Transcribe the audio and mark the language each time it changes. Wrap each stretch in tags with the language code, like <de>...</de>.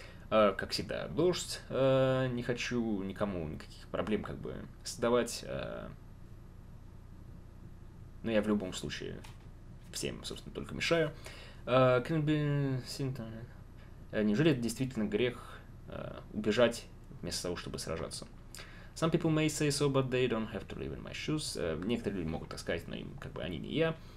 <ru>Как всегда, дождь, не хочу никому никаких проблем, как бы, создавать, но я в любом случае... Всем, собственно, только мешаю.</ru> <en>Can be symptom.</en> <ru>Неужели это действительно грех убежать вместо того, чтобы сражаться?</ru> <en>Some people may say so, but they don't have to live in my shoes.</en> <ru>Некоторые люди могут так сказать, но им как бы они не я.</ru>